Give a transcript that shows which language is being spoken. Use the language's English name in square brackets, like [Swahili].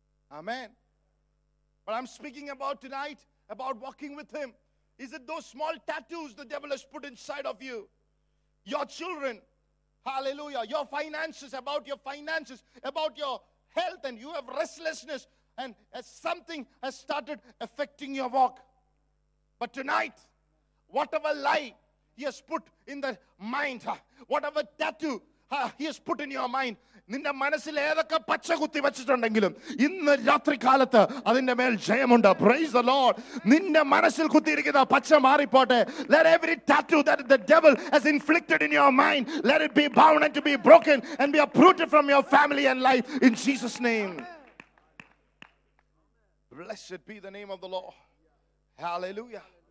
[English] Amen. But I'm speaking about tonight, about walking with him. Is it those small tattoos the devil has put inside of you? Your children, hallelujah. Your finances, about your finances, about your health, and you have restlessness, and something has started affecting your walk. But tonight, whatever lie he has put in the mind, whatever tattoo he has put in your mind, [Malayalam] നിന്റെ മനസ്സിൽ ഏതൊക്കെ പച്ച കുത്തി വെച്ചിട്ടുണ്ടെങ്കിലും ഇന്ന് രാത്രി കാലത്ത് അതിന്റെ മേൽ ജയമുണ്ട്. [English] Praise the Lord. [Malayalam] നിന്റെ മനസ്സിൽ കുത്തിയിരിക്കുന്ന പച്ച മാറിപ്പോട്ടെ. [English] Let every tattoo that the devil has inflicted in your mind, let it be bound and to be broken and be uprooted from your family and life in Jesus' name. Blessed be the name of the Lord. Hallelujah.